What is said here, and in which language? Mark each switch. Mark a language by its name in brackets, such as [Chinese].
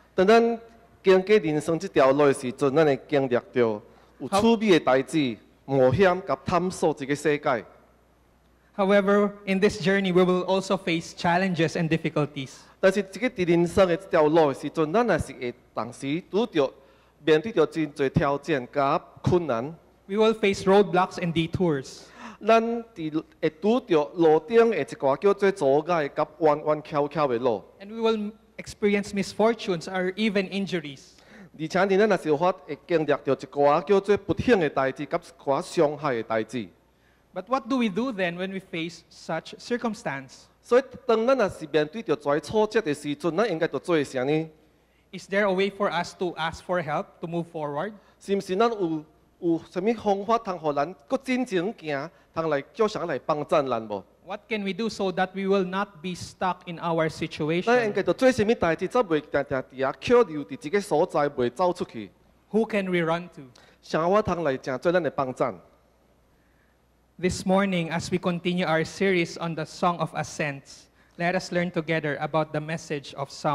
[Min Nan Chinese] 当咱经过人生这条路的时阵，咱会经历到有趣味的代志、冒险和探索这个世界。 [English] However, in this journey, we will also face challenges and difficulties. [Min Nan Chinese] 但是这个在人生的这条路的时阵，咱也是会同时拄到面对到真侪挑战和困难。 [English] We will face roadblocks and detours. [Min Nan Chinese] 咱伫会拄到路顶的一挂叫做阻碍和弯弯翘翘的路。 [English] And we will experience misfortunes or even injuries. [Min Nan Chinese] 而且呢，咱也是有法会经历到一挂叫做不幸的代志，和一挂伤害的代志。 [English] But what do we do then when we face such circumstance? [Min Nan Chinese] 所以当咱也是面对到遮挫折的时阵，咱应该着做的是啥呢？ [English] Is there a way for us to ask for help to move forward? [Min Nan Chinese] 是毋是咱有啥物方法通互咱搁进前行，通来叫啥来帮助咱无？ [English] What can we do so that we will not be stuck in our situation? [Min Nan Chinese] 咱应该着做啥物代志，则袂定定伫遐扣留伫一个所在，袂走出去？ [English] Who can we run to? [Min Nan Chinese] 啥我通来正做咱的帮助？ [English] This morning, as we continue our series on the Song of Ascents, let us learn together about the message of